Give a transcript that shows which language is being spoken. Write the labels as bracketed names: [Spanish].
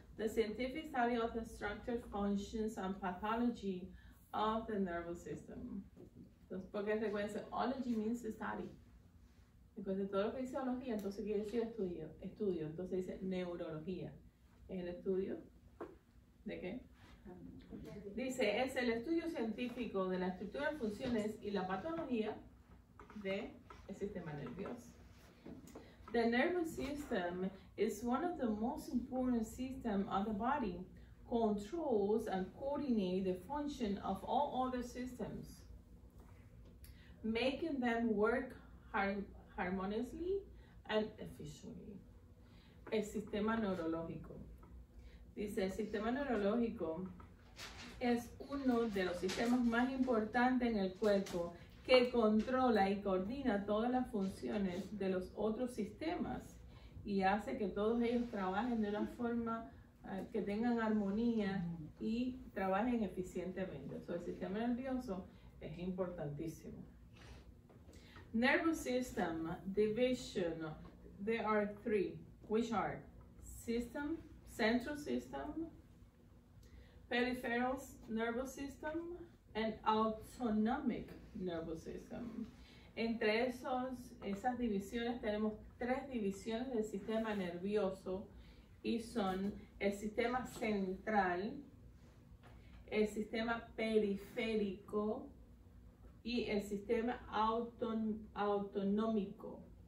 [English] The scientific study of the structure, functions, and pathology of the nervous system. [Spanish] Entonces, porque recuerden, [English] ology means study. [Spanish] Recuerden, todo lo que dice ología, entonces quiere decir estudio. Entonces dice neurología. ¿Es el estudio de qué? Dice, es el estudio científico de las estructuras, funciones y la patología del sistema nervioso. [English] The nervous system is one of the most important systems of the body, controls and coordinates the function of all other systems, making them work harmoniously and efficiently. [Spanish] El sistema neurológico. Dice, el sistema neurológico es uno de los sistemas más importantes en el cuerpo, que controla y coordina todas las funciones de los otros sistemas y hace que todos ellos trabajen de una forma que tengan armonía y trabajen eficientemente. O sea, el sistema nervioso es importantísimo. [English] Nervous system division, there are three, which are system, central system, peripheral nervous system, and autonomic nervous system. [Spanish] Entre esos, esas divisiones tenemos tres divisiones del sistema nervioso y son el sistema central, el sistema periférico y el sistema autonómico.